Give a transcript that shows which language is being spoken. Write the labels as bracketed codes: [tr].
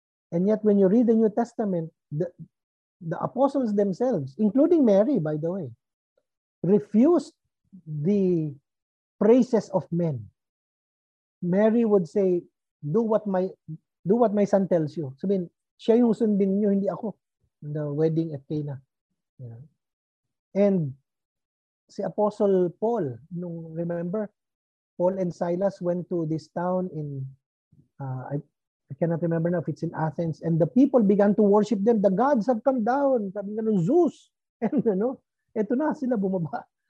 [en] And yet when you read the New Testament, the apostles themselves, including Mary, by the way, refused the praises of men. Mary would say, do what my son tells you. [tl] Sabihin, siya yung sundin niyo, hindi ako. [en] The wedding at Cana. Yeah. And si Apostle Paul, nung remember, Paul and Silas went to this town in, I cannot remember now if it's in Athens, and the people began to worship them. The gods have come down. [tl] Sabi nga nung Zeus. [en] And you know, [tl] eto na, sila bumaba.